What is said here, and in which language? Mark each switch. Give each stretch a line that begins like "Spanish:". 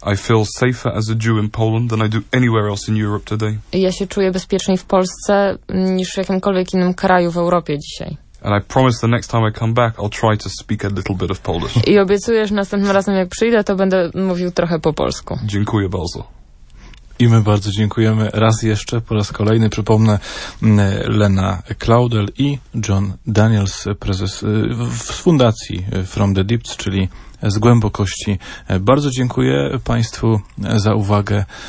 English: I feel safer as a Jew in Poland than I do anywhere else in Europe today.
Polish: Ja się czuję bezpieczniej w Polsce niż w jakimkolwiek innym kraju w Europie dzisiaj.
English: And I promise the next time I come back, I'll try to speak a little bit of Polish.
Polish: I obiecuję, że następnym razem, jak przyjdę, to będę mówił trochę po polsku. Dziękuję bardzo. I my bardzo dziękujemy raz jeszcze, po raz kolejny. Przypomnę, Lena Claudel i John Daniels, prezes z fundacji From the Deep, czyli z głębokości. Bardzo dziękuję Państwu za uwagę.